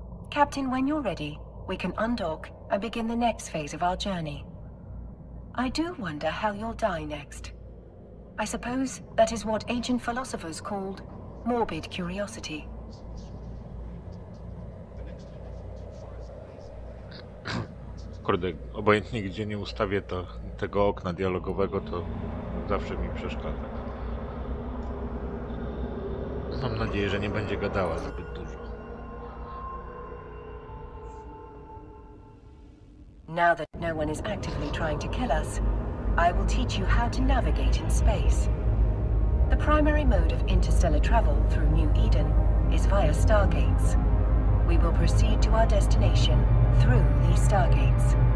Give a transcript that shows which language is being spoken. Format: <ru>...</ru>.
<en>Captain, when you're ready, we can undock and begin the next phase of our journey. I do wonder how you'll die next. I suppose that is what ancient philosophers called morbid curiosity.</en> <pl>Kurde, obojętnie gdzie nie ustawię to, tego okna dialogowego, to zawsze mi przeszkadza. Mam nadzieję, że nie będzie gadała zbyt dużo.</pl> <en>Now that no one is actively trying to kill us, I will teach you how to navigate in space. The primary mode of interstellar travel through New Eden is via stargates. We will proceed to our destination through these stargates.</en>